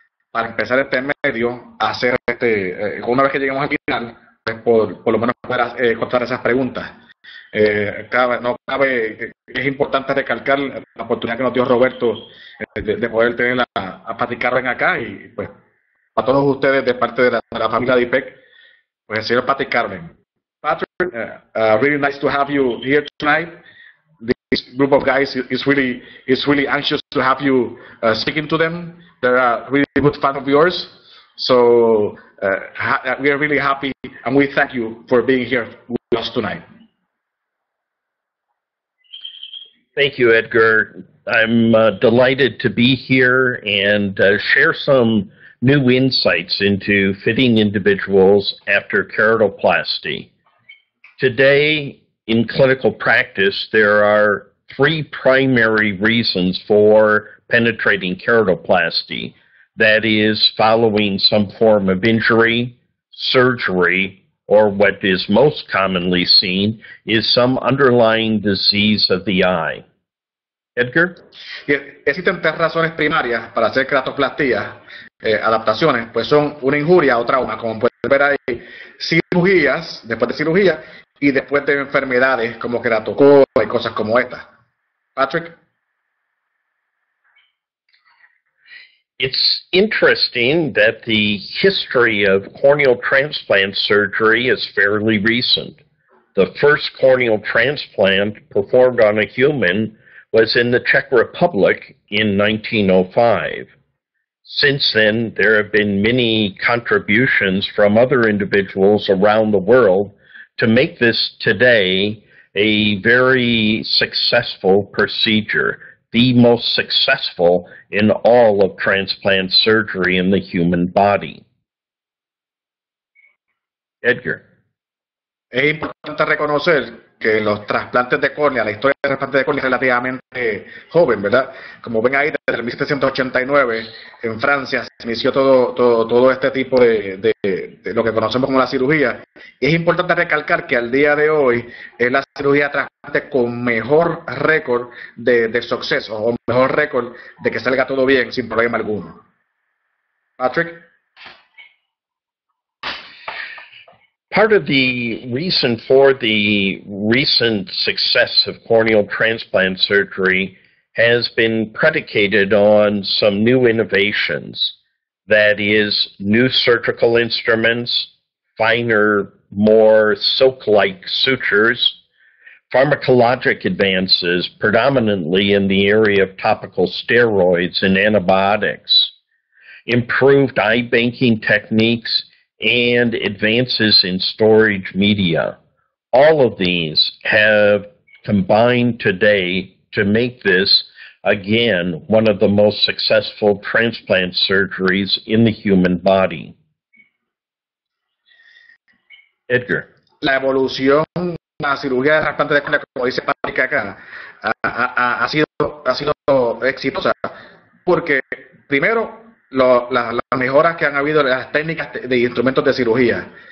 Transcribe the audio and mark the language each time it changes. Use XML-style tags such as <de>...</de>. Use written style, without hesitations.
<es>Para empezar este medio, hacer este, una vez que lleguemos al final, pues por lo menos poder contestar esas preguntas. No cabe, es importante recalcar la oportunidad que nos dio Roberto de poder tener a Patrick Caroline acá y pues a todos ustedes de parte de la familia de IPEC, pues el señor Patrick Caroline.</es> <en>Patrick, really nice to have you here tonight. This group of guys is really anxious to have you speaking to them. They're a really good fan of yours. So we are really happy and we thank you for being here with us tonight. Thank you, Edgar. I'm delighted to be here and share some new insights into fitting individuals after keratoplasty. Today, in clinical practice, there are three primary reasons for penetrating keratoplasty. That is, following some form of injury, surgery, or what is most commonly seen is some underlying disease of the eye. Edgar?</en> <es>Existen tres razones primarias para hacer keratoplastia, adaptaciones, pues son una injuria o trauma, como pueden ver ahí, cirugías, después de cirugía, y después de enfermedades como queratocoma y cosas como estas. Patrick.</es> <en>It's interesting that the history of corneal transplant surgery is fairly recent. The first corneal transplant performed on a human was in the Czech Republic in 1905. Since then, there have been many contributions from other individuals around the world to make this today a very successful procedure. The most successful in all of transplant surgery in the human body. Edgar.</en> <es>Es importante reconocer que los trasplantes de córnea, la historia de trasplantes de córnea es relativamente joven, ¿verdad? Como ven ahí, desde el 1789 en Francia se inició todo este tipo de lo que conocemos como la cirugía. Y es importante recalcar que al día de hoy es la cirugía trasplante con mejor récord de suceso o mejor récord de que salga todo bien sin problema alguno. Patrick.</es> <en>Part of the reason for the recent success of corneal transplant surgery has been predicated on some new innovations, that is, new surgical instruments, finer, more silk-like sutures, pharmacologic advances, predominantly in the area of topical steroids and antibiotics, improved eye banking techniques, and advances in storage media. All of these have combined today to make this, again, one of the most successful transplant surgeries in the human body. Edgar.</en> <es>La evolución de la cirugía de trasplante de córnea, como dice Patrick acá, ha sido exitosa porque, primero, las mejoras que han habido en las técnicas de instrumentos de cirugía.</es>